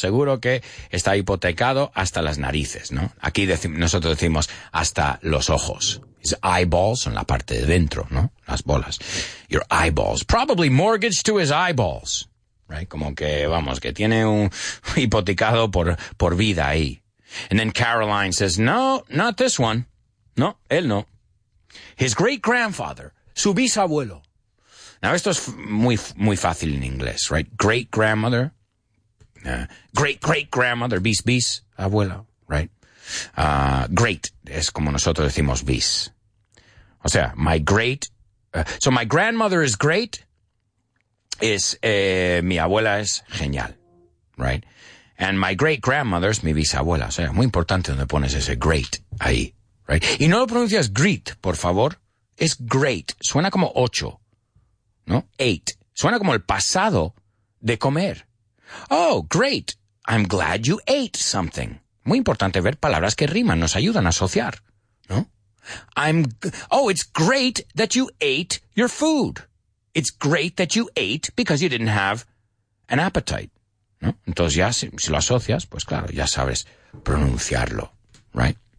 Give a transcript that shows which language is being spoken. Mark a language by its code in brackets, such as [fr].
[es] Seguro que está hipotecado hasta las narices, ¿no? Aquí nosotros decimos hasta los ojos. [en] His eyeballs [es] son la parte de dentro, ¿no? Las bolas. [en] Your eyeballs. Probably mortgaged to his eyeballs. Right? [es] Como que, vamos, que tiene un hipotecado por vida ahí. [en] And then Caroline says, no, not this one. [es] No, él no. [en] His great-grandfather, [es] su bisabuelo. Now, esto es muy, muy fácil en inglés, right? [en] Great-grandmother. Great-great-grandmother, bis-bis, abuelo, right? [es] Great es como nosotros decimos bis. O sea, [en] my great... So, my grandmother is great. [es] Mi abuela es genial, [en] right? And my great-grandmother is [es] mi bisabuela. O sea, muy importante donde pones ese great ahí, right? Y no lo pronuncias great, por favor. Es great. Suena como ocho. ¿No? [en] Eight. [es] Suena como el pasado de comer. [en] Oh, great. I'm glad you ate something. [es] Muy importante ver palabras que riman, nos ayudan a asociar, ¿no? [en] It's great that you ate your food. It's great that you ate because you didn't have an appetite, ¿no? [es] Entonces ya si lo asocias, pues claro, ya sabes pronunciarlo, right?